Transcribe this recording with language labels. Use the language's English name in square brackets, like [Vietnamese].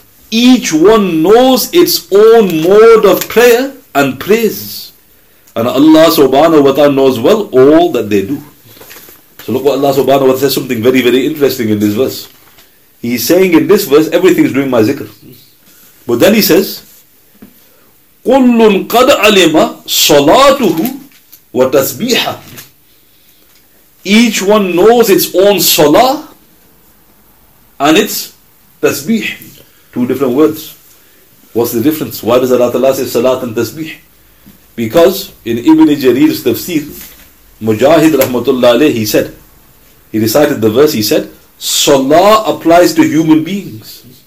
[English] Each one knows its own mode of prayer and praise, and Allah subhanahu wa ta'ala knows well all that they do. So look what Allah subhanahu wa ta'ala says, something very, very interesting in this verse. He's saying in this verse, everything is doing my zikr. But then he says, [Arabic] قُلٌ قَدْ عَلِمَ صَلَاتُهُ وَتَسْبِيحَ. [English] Each one knows its own salah and its tasbih. Two different words. What's the difference? Why does Allah Ta'ala say salat and tasbih? Because in Ibn Jarir's tafsir, Mujahid rahmatullah alayhi, he said, he recited the verse, he said, salah applies to human beings.